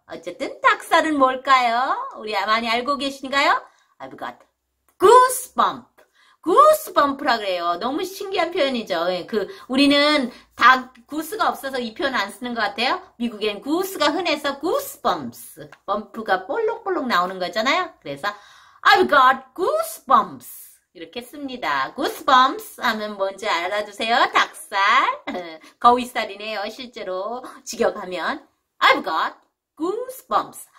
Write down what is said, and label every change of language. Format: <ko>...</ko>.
<ko>어쨌든 닭살은 뭘까요? 우리 많이 알고 계신가요?</ko> <en>I've got goosebump. Goosebump라 그래요.</en> <ko>너무 신기한 표현이죠. 그 우리는 닭 구스가 없어서 이 표현 안 쓰는 것 같아요. 미국엔 구스가 흔해서 goosebumps. 범프가 볼록볼록 나오는 거잖아요.</ko> <en>그래서 I've got goosebumps.</en> <ko>이렇게 씁니다. Goosebumps 하면 뭔지 알아두세요. 닭살. 거위살이네요. 실제로 직역하면</ko> <en>I've got goosebumps.</en>